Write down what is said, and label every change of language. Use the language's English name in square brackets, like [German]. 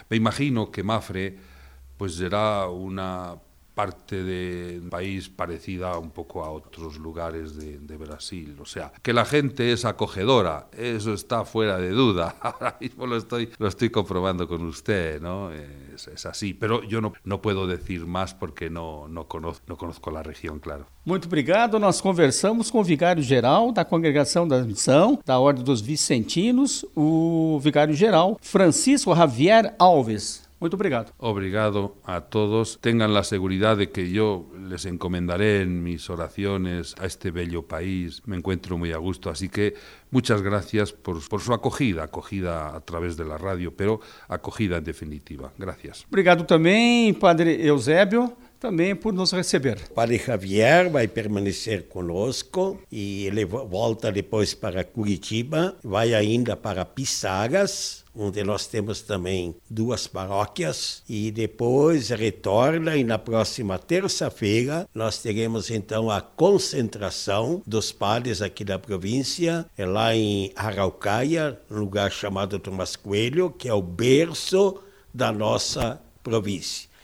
[Spanish] Me imagino que Mafre, pues será una parte de un país parecida un poco a otros lugares de Brasil. O sea, que la gente es acogedora, eso está fuera de duda. Ahora mismo lo estoy comprobando con usted, ¿no? Es así. Pero yo no puedo decir más porque no conozco la región, claro. [Portuguese] Muito obrigado. Nós conversamos com o vigário-geral da Congregação da Missão, da Ordem dos Vicentinos, o vigário-geral Francisco Javier Alves. Muito obrigado. Obrigado a todos. [Spanish] Tengan la seguridad de que yo les encomendaré en mis oraciones a este bello país. Me encuentro muy a gusto. Así que muchas gracias por su acogida. Acogida a través de la radio, pero acogida en definitiva. Gracias. [Portuguese] Obrigado también, Padre Eusébio, también por nos receber. Padre Javier va a permanecer conosco y le volta después para Curitiba. Va ainda para Pisagas, onde nós temos também duas paróquias, e depois retorna, e na próxima terça-feira nós teremos então a concentração dos padres aqui da província, é lá em Araucaia, um lugar chamado Tomás Coelho, que é o berço da nossa província.